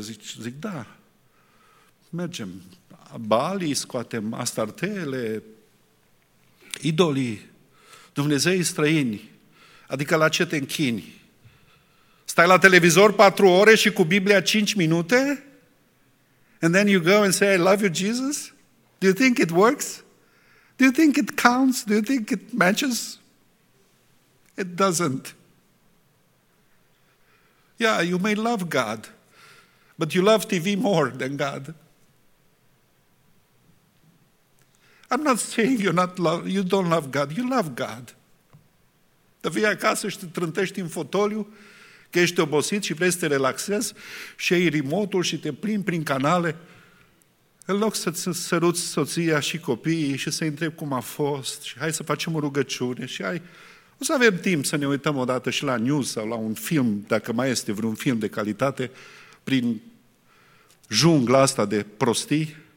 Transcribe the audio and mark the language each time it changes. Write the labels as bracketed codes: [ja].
[ro] Zic, da, mergem. Balii, scoatem astartele, idolii, dumnezeii străini, adică la ce te închini? Stai la televizor 4 ore și cu Biblia 5 minute? [en] And then you go and say, I love you, Jesus? Do you think it works? Do you think it counts? Do you think it matches? It doesn't. Yeah, you may love God, but you love TV more than God. I'm not saying you don't love God. You love God. [ro] Te vii acasă și te trântești în fotoliu, că ești obosit și vrei să te relaxezi și ai remote-ul și te plimbi prin canale. În loc să-ți săruți soția și copiii și să-i întrebi cum a fost și hai să facem o rugăciune și hai, o să avem timp să ne uităm odată și la news sau la un film, dacă mai este vreun film de calitate, prin jungla asta de prostii.